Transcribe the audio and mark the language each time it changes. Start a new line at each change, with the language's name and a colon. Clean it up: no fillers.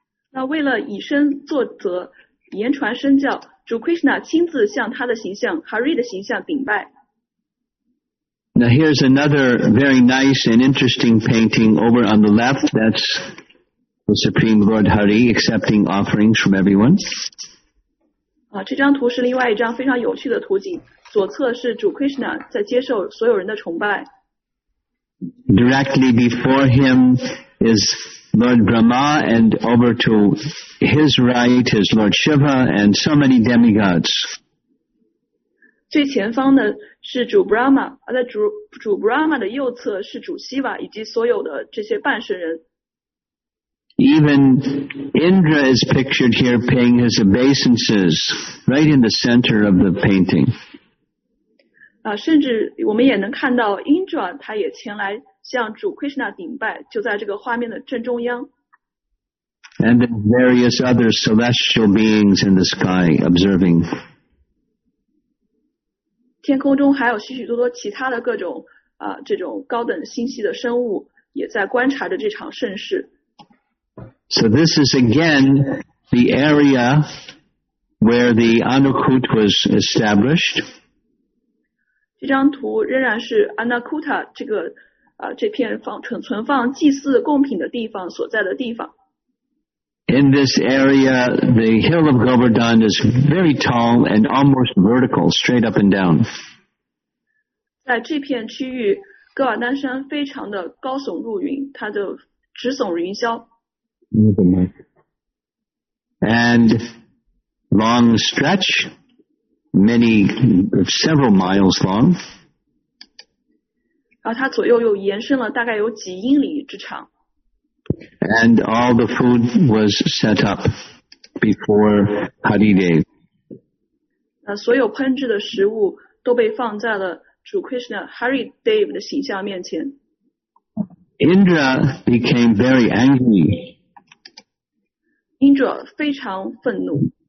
Chinese: 那为了以身作则，言传身教，主 Krishna 亲自向他的形象 Hari 的形象顶拜。
English: Now here's another very nice and interesting painting over on the left. That's the Supreme Lord Hari accepting offerings from everyone.
Chinese: 这张图是另外一张非常有趣的图景。左侧是主 Krishna 在接受所有人的崇拜。
English: Directly before him is Lord Brahma, and over to his right is Lord Shiva and so many demigods.
Chinese: 最前方的是主 Brahma， 而在 主 Brahma 的右侧是主 Shiva 以及所有的这些半神人。
English: Even Indra is pictured here paying his obeisances right in the center of the painting.
Chinese: 甚至我们也能看到 Indra 他也前来向主 Krishna 顶拜，就在这个画面的正中央。
English: And various other celestial beings in the sky observing.
Chinese: 天空中还有许许多多其他的各种这种高等星系的生物也在观察着这场盛世。
English: So this is again the area where the Anakut was established.
Chinese: 这张图仍然是 Anakuta 这个这片存放祭祀贡品的地方所在的地方。
English: In this area, the hill of Govardhan is very tall and almost vertical, straight up and down.
Chinese: 在这片区域，格瓦丹山非常的高耸入云，它的直耸云霄。
English: And long stretch, several miles long.
Chinese: 然后它左右又延伸了大概有几英里之长。
English: And all the food was set up before Haridev.
Chinese: 所有烹制的食物都被放在了主 Krishna Hari Dev 的形象面前。
English: Indra became very angry.
Chinese: Indra 非常愤怒。